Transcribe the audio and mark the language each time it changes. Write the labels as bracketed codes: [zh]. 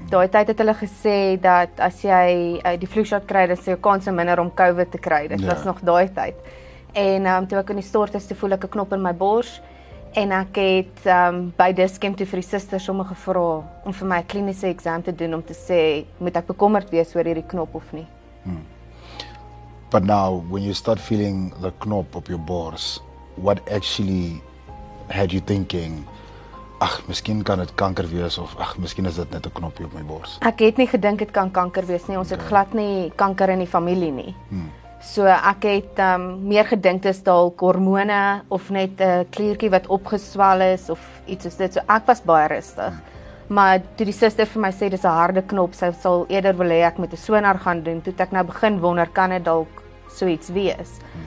[af] Daai tyd het hulle gesê dat as jy die flu shot kry, dan is jou kans minder om COVID te kry. Dit was nog daai tyd. En toe ek in die stort is, toe voel ek 'n knop in my bors en ek het by Dis-Chem toe vir die susters sommer gevra om vir my 'n kliniese eksam te doen om te sê moet ek bekommerd wees oor hierdie knop of nie. [en] But now when you start feeling the knop op your bors, what actually had you thinking? [af] Ag, miskien kan dit kanker wees of ag, miskien is dit net 'n knoppie op my bors. Ek het nie gedink dit kan kanker wees nie. Ons het glad nie kanker in die familie nie. So ek het meer gedink dis dalk hormone of net 'n kliertjie wat opgeswel is of iets soos dit. So ek was baie rustig. Maar toe die suster vir my sê dis 'n harde knop, sy sal eerder wil hê ek moet 'n sonar gaan doen, toe ek nou begin wonder kan dit dalk so iets wees.